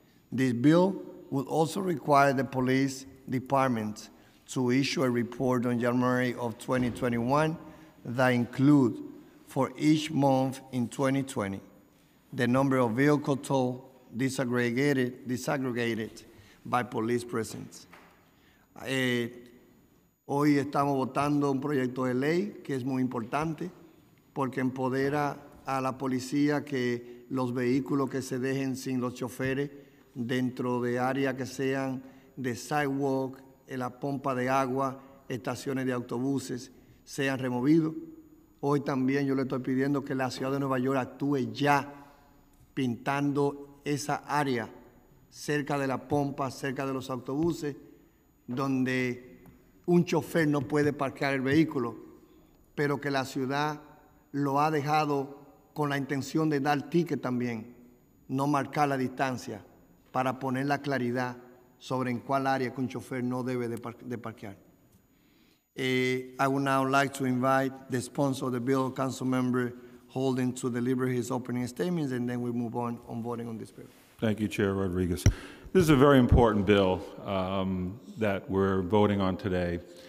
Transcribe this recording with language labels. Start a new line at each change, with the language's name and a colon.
English: This bill will also require the police department to issue a report on January of 2021 that include for each month in 2020, the number of vehicle toll disaggregated by police presence.
Spanish: Hoy estamos votando un proyecto de ley que es muy importante porque empodera a la policía que los vehículos que se dejen sin los choferes dentro de áreas que sean de sidewalk, en la pompa de agua, estaciones de autobuses, sean removidos. Hoy también yo le estoy pidiendo que la ciudad de Nueva York actúe ya pintando esa área cerca de la pompa, cerca de los autobuses, donde un chofer no puede parquear el vehículo, pero que la ciudad lo ha dejado con la intención de dar ticket también. no marcar la distancia para poner la claridad sobre en cuál área que un chofer no debe de parquear.
English: I would now like to invite the sponsor of the bill, council member Holden, to deliver his opening statements, and then we move on voting on this bill. Thank you, Chair Rodriguez. This is a very important bill that we're voting on today.